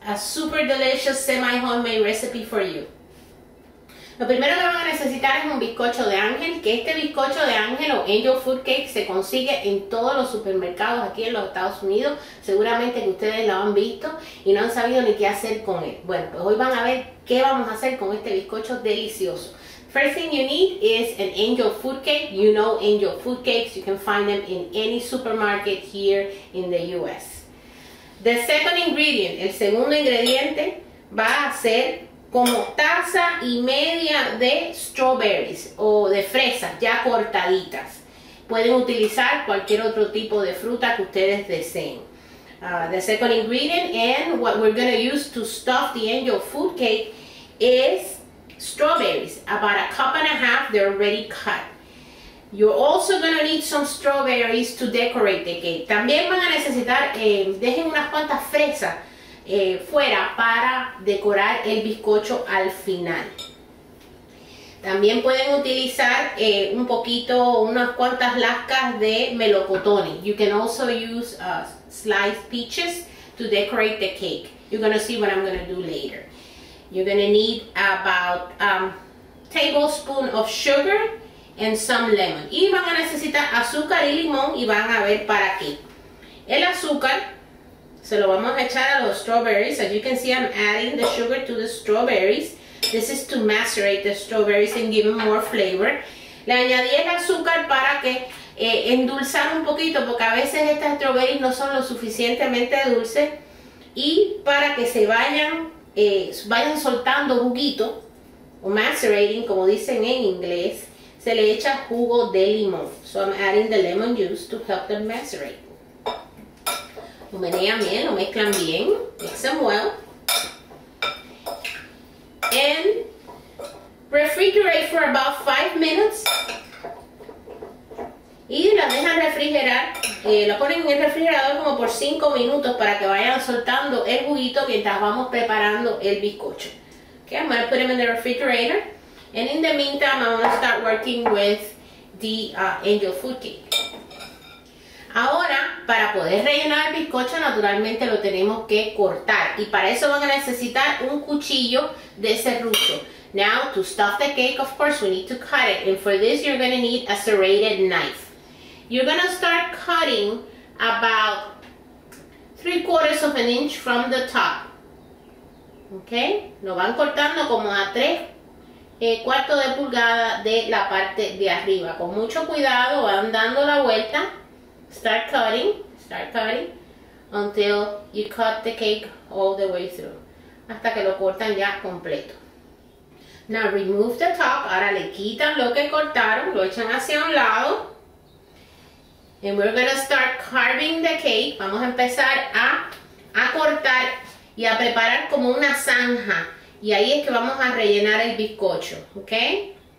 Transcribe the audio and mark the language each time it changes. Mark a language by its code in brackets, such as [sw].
[en] A super delicious semi homemade recipe for you. [es] Lo primero que van a necesitar es un bizcocho de ángel, que este bizcocho de ángel o angel food cake se consigue en todos los supermercados aquí en los Estados Unidos. Seguramente que ustedes lo han visto y no han sabido ni qué hacer con él. Bueno, pues hoy van a ver qué vamos a hacer con este bizcocho delicioso. [en] First thing you need is an angel food cake. You know angel food cakes, you can find them in any supermarket here in the US. The second ingredient, [es] el segundo ingrediente va a ser como taza y media de strawberries o de fresas ya cortaditas. Pueden utilizar cualquier otro tipo de fruta que ustedes deseen. [en] The second ingredient and what we're going to use to stuff the angel food cake is strawberries. About a cup and a half, they're already cut. You're also going to need some strawberries to decorate the cake. [es] También van a necesitar, dejen unas cuantas fresas fuera para decorar el bizcocho al final. También pueden utilizar un poquito, unas cuantas lascas de melocotones. [en] You can also use sliced peaches to decorate the cake. You're going to see what I'm going to do later. You're going to need about a tablespoon of sugar and some lemon. [es] Y van a necesitar azúcar y limón, y van a ver para qué. El azúcar se lo vamos a echar a los strawberries. [en] As you can see, I'm adding the sugar to the strawberries. This is to macerate the strawberries and give them more flavor. [es] Le añadí el azúcar para que endulzar un poquito, porque a veces estas strawberries no son lo suficientemente dulces. Y para que se vayan soltando juguito, o macerating, como dicen en inglés, se le echa jugo de limón. [en] So I'm adding the lemon juice to help them macerate. [es] Lo menean bien, lo mezclan bien, [en] mix them well, and refrigerate for about 5 minutes. [es] Y la dejan refrigerar, lo ponen en el refrigerador como por 5 minutos para que vayan soltando el juguito mientras vamos preparando el bizcocho. [en] Okay, I'm gonna put them in the refrigerator, and in the meantime, I'm gonna start working with the angel food cake. [es] Ahora, para poder rellenar el bizcocho, naturalmente lo tenemos que cortar. Y para eso van a necesitar un cuchillo de serrucho. [en] Now, to stuff the cake, of course, we need to cut it. And for this, you're going to need a serrated knife. You're going to start cutting about 3/4 of an inch from the top. Okay? [es] Lo van cortando como a 3/4 de pulgada de la parte de arriba. Con mucho cuidado, van dando la vuelta. [en] Start cutting, until you cut the cake all the way through. [es] Hasta que lo cortan ya completo. [en] Now remove the top. [es] Ahora le quitan lo que cortaron, lo echan hacia un lado. [en] And we're going to start carving the cake. [es] Vamos a empezar a cortar y a preparar como una zanja. Y ahí es que vamos a rellenar el bizcocho, okay?